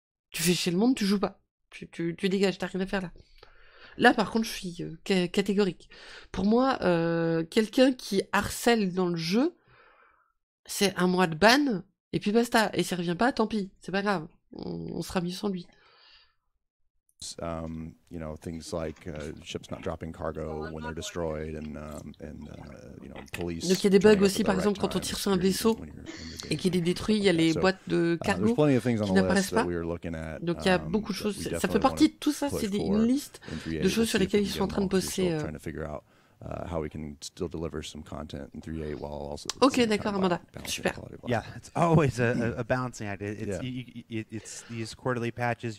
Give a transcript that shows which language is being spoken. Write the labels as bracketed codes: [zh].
[fr] Tu fais chier le monde, tu joues pas. Tu dégages, t'as rien à faire là. Là, par contre, je suis catégorique. Pour moi, quelqu'un qui harcèle dans le jeu, c'est un mois de ban, et puis basta. Et s'il revient pas, tant pis, c'est pas grave. On sera mieux sans lui. [en] You know, things like ships not dropping cargo when they're destroyed you know, police. [fr] Donc il y a des bugs aussi, par exemple, quand on tire sur un vaisseau et qu'il est détruit, il y a les boîtes de cargo qui n'apparaissent pas. Donc il y a beaucoup de choses. Ça fait partie de tout ça, c'est une liste de choses sur lesquelles ils sont en train de bosser. [en] How we can still deliver some content in 3.8 while also. [fr] Ok, d'accord, Amanda. Super. [en] Yeah, it's always a balancing act. It's these quarterly patches.